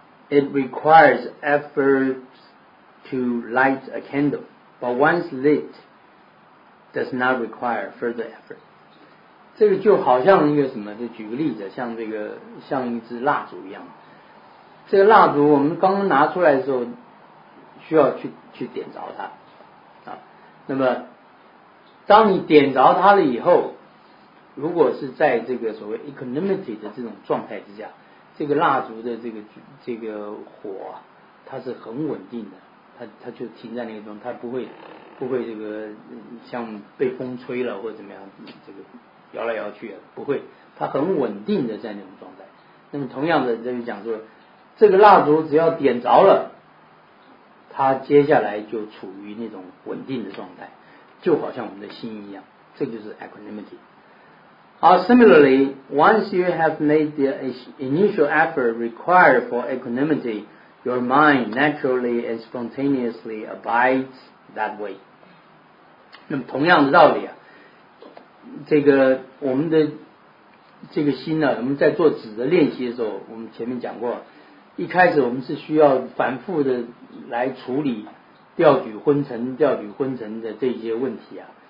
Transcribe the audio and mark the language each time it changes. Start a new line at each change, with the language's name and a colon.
English: It requires effort to light a candle, but once lit, does not require further effort.
Chinese: 这个就好像一个什么，就举个例子，像这个像一支蜡烛一样。这个蜡烛我们刚拿出来的时候，需要去点着它，那么当你点着它了以后，如果是在这个所谓 equanimity 的这种状态之下。这个蜡烛的这个火，它是很稳定的，它就停在那个地方，它不会这个像被风吹了或者怎么样，这个摇来摇去了，不会，它很稳定的在那种状态。那么同样的，这就讲说，这个蜡烛只要点着了，它接下来就处于那种稳定的状态，就好像我们的心一样，这就是 equanimity。
English: Similarly, once you have made the initial effort required for equanimity, your mind naturally and spontaneously abides that way.
Chinese: 那么同样的道理啊，这个我们的这个心呢，我们在做止的练习的时候，我们前面讲过，一开始我们是需要反复的来处理调举昏沉、调举昏沉的这些问题啊。